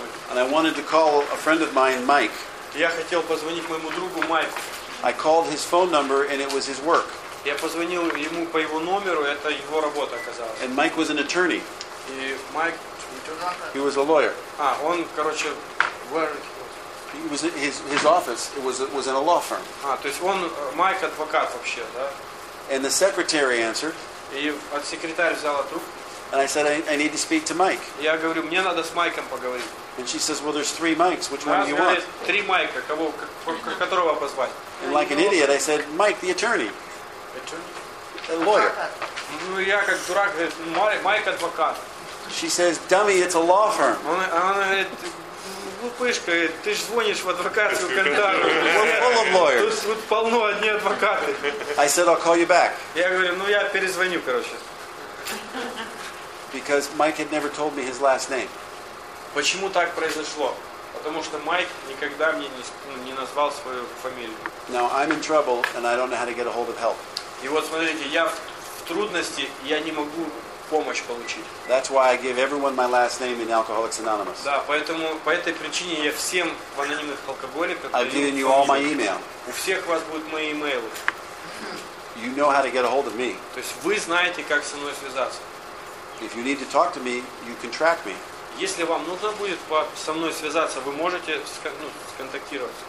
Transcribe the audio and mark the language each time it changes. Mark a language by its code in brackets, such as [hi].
[en] And I wanted to call a friend of mine, Mike. [ru] Я хотел позвонить моему другу Майку. [en] I called his phone number and it was his work. [ru] Я позвонил ему по его номеру, это его работа оказалась. [en] And Mike was an attorney. [ru] И Майк, [en] he was a lawyer. [ru] А, он, короче, [en] where he was his office, it was in a law firm. [ru] А, то есть он Майк адвокат вообще, да? [en] And the secretary answered. [ru] И от секретарь взяла трубку. [en] And I said, I need to speak to Mike. [ru] Я говорю, мне надо с Майком поговорить. [en] And she says, well, there's three Mikes. Which one do you want? [ru] Три Майка, которого позвать? [en] And like an idiot, I said, Mike, the attorney. Attorney? A lawyer. [ru] Ну, я как дурак, Майк адвокат. [en] She says, dummy, it's a law firm. [ru] Она говорит, глупышка, ты же звонишь в адвокатскую контору. [en] We're full of lawyers. [ru] Тут полно одни адвокаты. [en] I said, I'll call you back. [ru] Я говорю, ну, я перезвоню, короче. [en] Because Mike had never told me his last name. [ru] Почему так произошло? Потому что Майк никогда мне не назвал свою фамилию. [en] Now I'm in trouble and I don't know how to get a hold of help. [ru] И вот смотрите, я в трудности, я не могу помощь получить. [en] That's why I give everyone my last name in Alcoholics Anonymous. [ru] Да, поэтому по этой причине я всем в анонимных алкоголиках. [en] I've given you all my email. [ru] У всех вас будут мои имейлы. [en] You know how to get a hold of me. [ru] То есть вы знаете, как со мной связаться. [en] If you need to talk to me, you can track me. [ru] Если вам нужно будет со мной связаться, вы можете сконтактироваться.